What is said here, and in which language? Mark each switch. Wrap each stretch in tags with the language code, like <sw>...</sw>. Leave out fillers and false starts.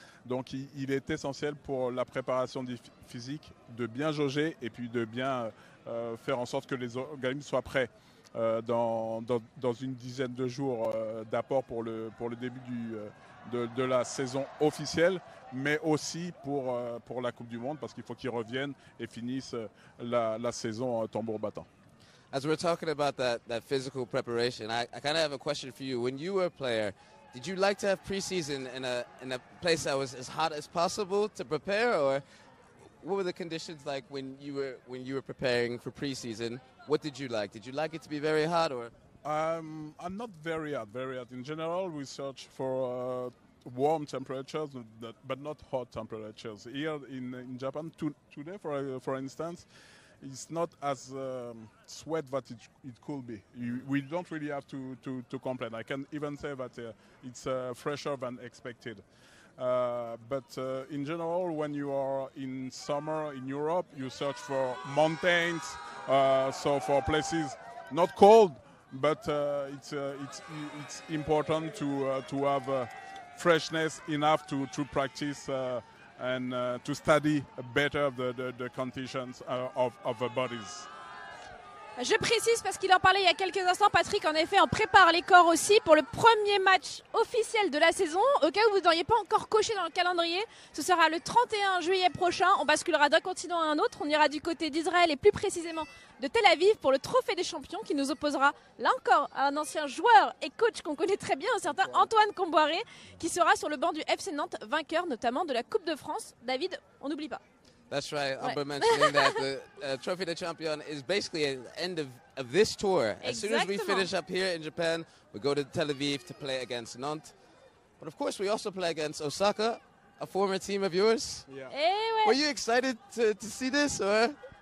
<fr>Donc il est essentiel pour la préparation physique de bien jauger et puis de bien faire en sorte que les organismes soient prêts dans une dizaine de jours d'apport pour le début de la saison officielle, mais aussi pour la Coupe du Monde, parce qu'il faut qu'ils reviennent et finissent la saison tambour battant.</fr> <en>As we're talking about that physical preparation, I kind of have a question for you. When you were a player, did you like to have preseason in a place that was as hot as possible to prepare, or what were the conditions like when you were preparing for preseason? What did you like? Did you like it to be very hot, or? I'm not very hot. Very hot in general. We search for warm temperatures, but not hot temperatures. Here in Japan today, for instance, it's not as sweat that it could be. We don't really have to complain. I can even say that it's fresher than expected. But in general, when you are in summer in Europe, you search for mountains, so for places not cold, but it's important to have freshness enough to practice and to study better the conditions of the bodies.</en> <fr>Je précise parce qu'il en parlait il y a quelques instants, Patrick, en effet, on prépare les corps aussi pour le premier match officiel de la saison. Au cas où vous n'auriez pas encore coché dans le calendrier, ce sera le 31 juillet prochain. On basculera d'un continent à un autre. On ira du côté d'Israël et plus précisément de Tel Aviv pour le Trophée des Champions qui nous opposera là encore à un ancien joueur et coach qu'on connaît très bien, un certain Antoine Comboiré, qui sera sur le banc du FC Nantes, vainqueur notamment de la Coupe de France. David, on n'oublie pas.</fr> <en>That's right. Umber</en> <fr>ouais.</fr> <en>Mentioning that the Trophy of the Champion is basically at the end of this tour.</en> <fr>Exactement.</fr> <en>As soon as we finish up here in Japan, we go to Tel Aviv to play against Nantes. But of course, we also play against Osaka, a former team of yours. Yeah.</en> <fr>Hey, ouais.</fr> <en>Were you excited to see this? Or?</en>